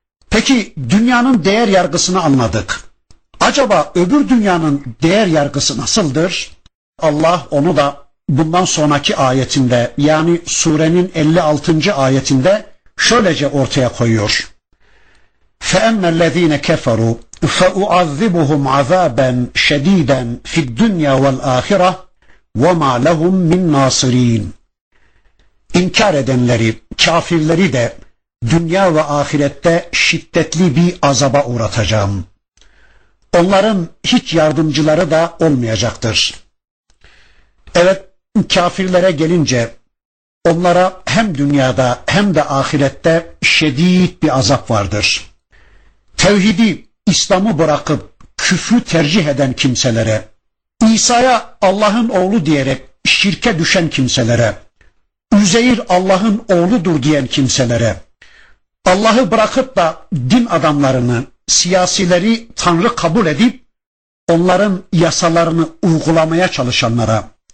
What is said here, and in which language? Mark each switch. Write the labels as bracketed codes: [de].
[tr] Peki dünyanın değer yargısını anladık. Acaba öbür dünyanın değer yargısı nasıldır? Allah onu da bundan sonraki ayetinde, yani surenin 56. ayetinde şöylece ortaya koyuyor. [ar] فَاَمَّا الَّذ۪ينَ كَفَرُوا فَاُعَذِّبُهُمْ عَذَابًا شَد۪يدًا فِي الدُّنْيَا وَالْآخِرَةِ وَمَا لَهُمْ مِنْ نَاصِر۪ينَ [tr] İnkar edenleri, kafirleri de dünya ve ahirette şiddetli bir azaba uğratacağım. Onların hiç yardımcıları da olmayacaktır. Evet, kafirlere gelince onlara hem dünyada hem de ahirette şiddetli bir azap vardır. Tevhidi, İslam'ı bırakıp küfrü tercih eden kimselere, İsa'ya Allah'ın oğlu diyerek şirke düşen kimselere, Üzeyr Allah'ın oğludur diyen kimselere, Allah'ı bırakıp da din adamlarını, siyasileri tanrı kabul edip onların yasalarını uygulamaya çalışanlara,